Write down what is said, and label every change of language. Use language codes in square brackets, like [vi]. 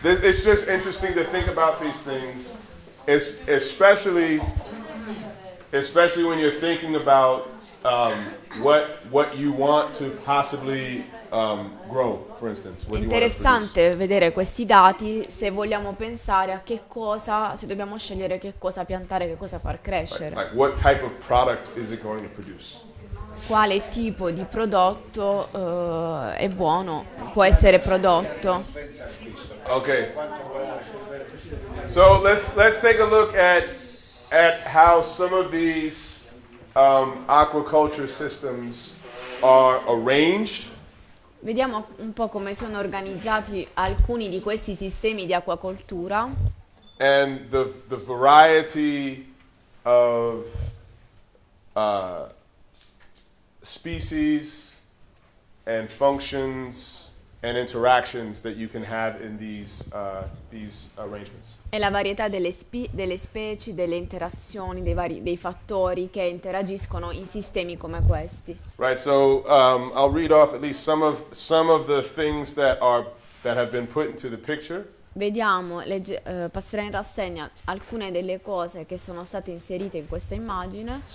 [en] It's just interesting to think about these things, especially when you're thinking about what you want to possibly grow, for instance. [it] È interessante vedere questi dati se vogliamo pensare a che cosa, se dobbiamo scegliere che cosa piantare, che cosa far crescere. [en] Like what type of product is it going to produce? [it] Quale tipo di prodotto è buono, può essere prodotto. [en] Okay. So let's take a look at how some of these aquaculture systems are arranged. [it] Vediamo un po' come sono organizzati alcuni di questi sistemi di acquacoltura. [en] And the variety of species and functions and interactions that you can have in these arrangements. [it] È la varietà delle specie, delle interazioni, dei fattori che interagiscono in sistemi come questi. [en] Right, so I'll read off at least some of the things that have been put into the picture. [it] Vediamo, passerei in rassegna alcune delle cose che sono state inserite in questa immagine.